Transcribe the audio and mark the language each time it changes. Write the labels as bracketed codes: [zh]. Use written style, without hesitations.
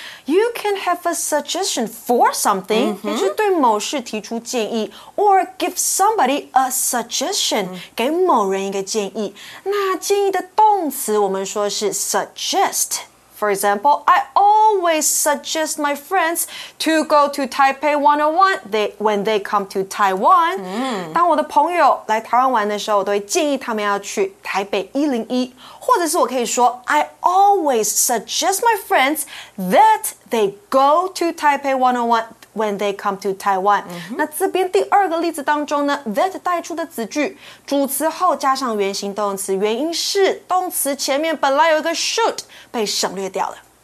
[en] You can have a suggestion for something,、mm-hmm. [zh] 也就是对某事提出建议 [en] or give somebody a suggestion,、mm-hmm. [zh] 给某人一个建议。那建议的动词我们说是 suggest. [en] For example, I always suggest my friends to go to Taipei 101 when they come to Taiwan.、Mm. [zh] 当我的朋友来台湾玩的时候，我都会建议他们要去台北101。或者是我可以说 [en] I always suggest my friends that they go to Taipei 101 when they come to Taiwan.、Mm-hmm. [zh] 那这边第二个例子当中呢 ,that 带出的子句主词后加上原形动词原因是动词前面本来有一个 should 被省略掉了。